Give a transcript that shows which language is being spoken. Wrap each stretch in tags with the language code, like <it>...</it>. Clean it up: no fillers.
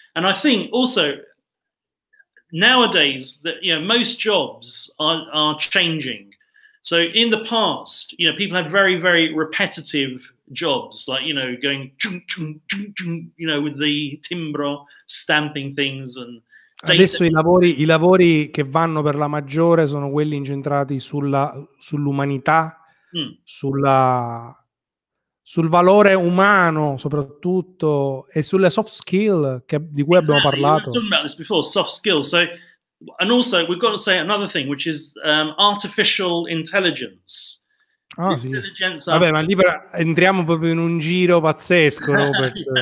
<en>And I think also nowadays that, you know, most jobs are changing. So in the past, you know, people had very, very repetitive jobs, like, you know, going, chung, chung, chung, chung, you know, with the timbro, stamping things. And</en> <it>adesso i lavori che vanno per la maggiore sono quelli incentrati sull'umanità, sul valore umano soprattutto, e sulle soft skill di cui</it> <en>exactly</en> <it>abbiamo parlato.</it> <en>We've talked about this before, soft skills. So, and also we've got to say another thing, which is artificial intelligence.</en> <it>Ah, sì. Vabbè, ma lì entriamo proprio in un giro pazzesco, Robert.</it>